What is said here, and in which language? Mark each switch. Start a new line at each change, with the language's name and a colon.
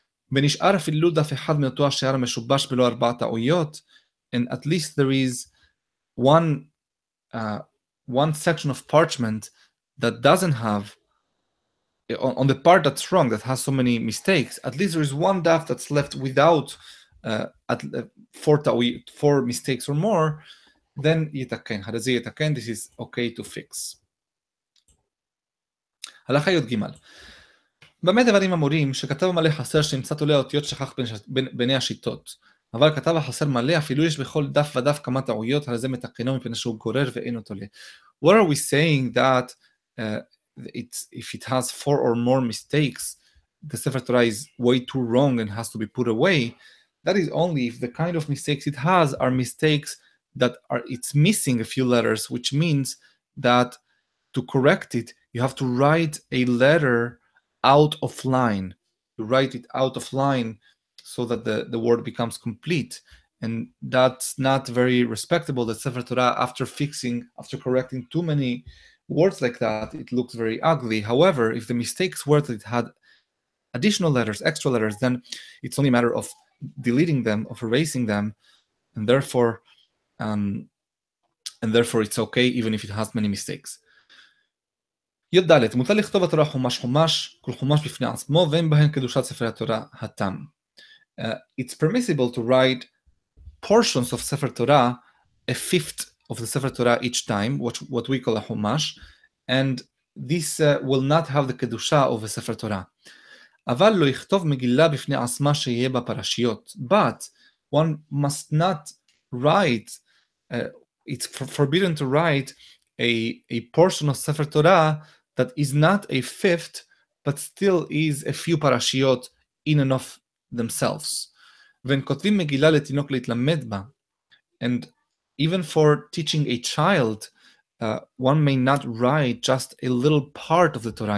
English: And at least there is one section of parchment that doesn't have, on the part that's wrong, that has so many mistakes, at least there is one daf that's left without four mistakes or more, then
Hebrew: yitaken, harazi yitaken,
English: this is okay to fix.
Hebrew: Halacha yod gimal. במה דברים אמורים שכתב מלא חסר שנמצא תולי האותיות שכח בני השיטות? אבל כתב החסר מלא אפילו יש בכל דף ודף כמה טעויות, הרי זה מתקנו מפני שהוא גורר ואין אותו לי.
English: What are we saying that if it has four or more mistakes, the Sefer Torah is way too wrong and has to be put away? That is only if the kind of mistakes it has are mistakes that are it's missing a few letters, which means that to correct it, you have to write a letter out of line. You write it out of line so that the word becomes complete. And that's not very respectable. The Sefer Torah, after correcting too many words like that, it looks very ugly. However, if the mistakes were that it had additional letters, extra letters, then it's only a matter of deleting them, of erasing them, and therefore it's okay even if it has many mistakes.
Hebrew: יד דלת, מותר לכתוב התורה חומש חומש, כל חומש בפני עצמו, ואין בהן קדושת ספר התורה התם.
English: It's permissible to write portions of Sefer Torah, a fifth of the Sefer Torah each time, what we call a חומש, and this will not have the קדושה of a Sefer Torah.
Hebrew: אבל לא יכתוב מגילה בפני עצמה שיהיה בה פרשיות.
English: But one must not write, it's forbidden to write a portion of Sefer Torah that is not a fifth, but still is a few parashiyot in and of themselves. When
Hebrew: kotvim megillah letinok leitlamed ba,
English: and even for teaching a child, one may not write just a little part of the Torah.